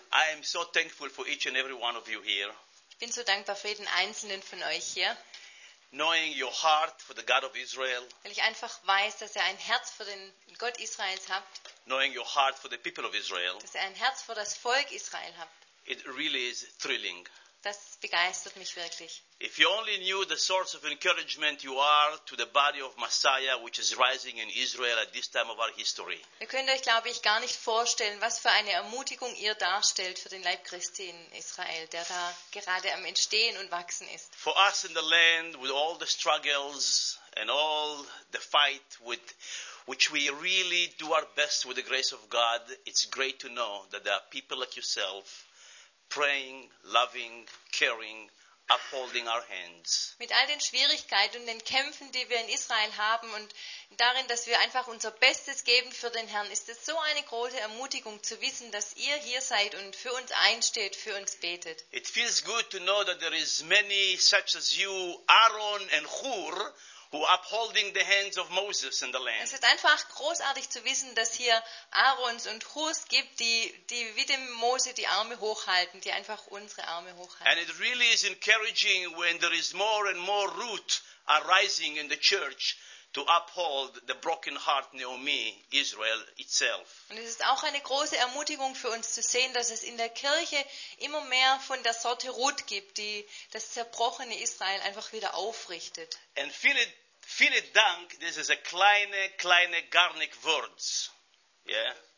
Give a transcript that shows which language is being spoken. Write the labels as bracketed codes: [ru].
[en] I am so thankful for each and every one of you here. [de] Ich bin so dankbar für jeden Einzelnen von euch hier. [en] Knowing your heart for the God of Israel. [de] Weil ich einfach weiß, dass ihr ein Herz für den Gott Israels habt. [en] Knowing your heart for the people of Israel. [de] Dass ihr ein Herz für das Volk Israel habt. [en] It really is thrilling. [de] Das begeistert mich wirklich. [en] If you only knew the source of encouragement you are to the body of Messiah, which is rising in Israel at this time of our history. [de] Ihr könnt euch, glaube ich, gar nicht vorstellen, was für eine Ermutigung ihr darstellt für den Leib Christi in Israel, der da gerade am Entstehen und Wachsen ist. [en] For us in the land, with all the struggles and all the fight with which we really do our best with the grace of God, it's great to know that there are people like yourself praying, loving, caring, upholding our hands. [de] Mit all den Schwierigkeiten und den Kämpfen, die wir in Israel haben und darin, dass wir einfach unser Bestes geben für den Herrn, ist es so eine große Ermutigung zu wissen, dass ihr hier seid und für uns einsteht, für uns betet. [en] It feels good to know that there is many such as you, Aaron and Hur, who upholding the hands of Moses in the land. [de] Es ist einfach großartig zu wissen, dass hier Aarons und Hurs gibt, die wie dem Mose die Arme hochhalten, die einfach unsere Arme hochhalten. [en] And it really is encouraging when there is more and more root arising in the church to uphold the broken heart Naomi, Israel itself. [de] Und es ist auch eine große Ermutigung für uns zu sehen, dass es in der Kirche immer mehr von der Sorte Ruth gibt, die das zerbrochene Israel einfach wieder aufrichtet. [en] And [de] vielen Dank, [en] this is a [de] kleine [en] garnic words. Yeah?